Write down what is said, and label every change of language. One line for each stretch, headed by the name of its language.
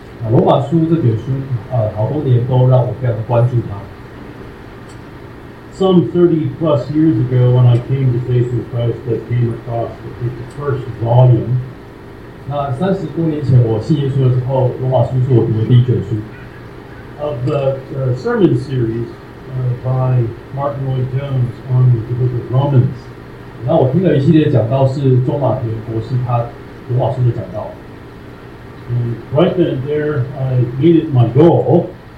Chinese: 罗马书这卷书好多年都让我非常关注它。
English: Some 30 plus years ago, when I came to faith in Christ, I came across the first volume
Chinese: 那三十多年前我信耶稣的时候，罗马书是我读的第一卷书。
English: Of the sermon series by Martin Lloyd Jones on the Book of Romans，
Chinese: 那我听了一系列讲道，是中马田博士他罗马书的讲道。
English: And right then, there I made it my goal.